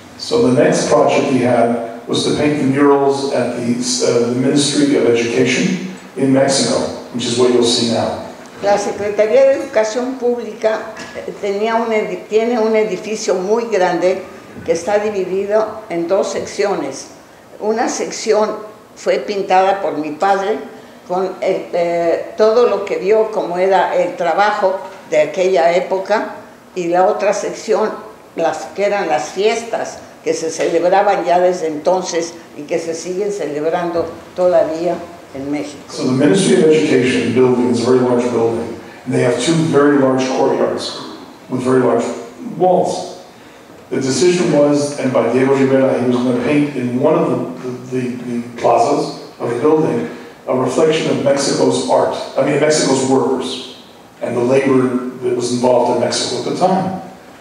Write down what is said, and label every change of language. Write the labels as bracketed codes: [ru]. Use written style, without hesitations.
[en] So the next project he had was to paint the murals at the Ministry of Education in Mexico, which is what you'll see now. [es] La Secretaría de Educación Pública tiene un edificio muy grande que está dividido en dos secciones. Una sección fue pintada por mi padre con todo lo que vio como era el trabajo de aquella época, y la otra sección, que eran las fiestas que se celebraban ya desde entonces y que se siguen celebrando todavía. [en] So the Ministry of Education building is a very large building, and they have two very large courtyards with very large walls. The decision was, and by Diego Rivera, he was going to paint in one of the plazas of the building a reflection of Mexico's art, I mean Mexico's workers, and the labor that was involved in Mexico at the time.